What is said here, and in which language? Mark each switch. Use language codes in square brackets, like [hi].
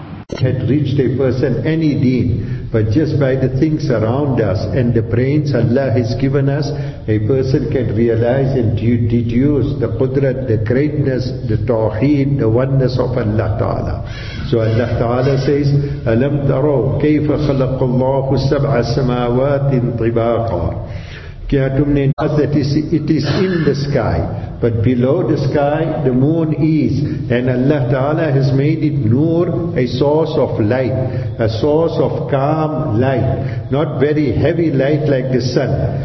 [en] Had reached a person any deen, but just by the things around us and the brains Allah has given us, a person can realize and deduce the qudrat, the greatness, the tawheed, the oneness of Allah Ta'ala. [ar] So Allah Ta'ala says, أَلَمْ تَرَوْا كَيْفَ خَلَقُ اللَّهُ السَّبْعَ السَّمَاوَاتٍ طِبَاقًا. [ur] Kya tumne [en] nas that it is in the sky, but below the sky the moon is, and Allah Ta'ala has made it nur, a source of light, a source of calm light, not very heavy light like the sun.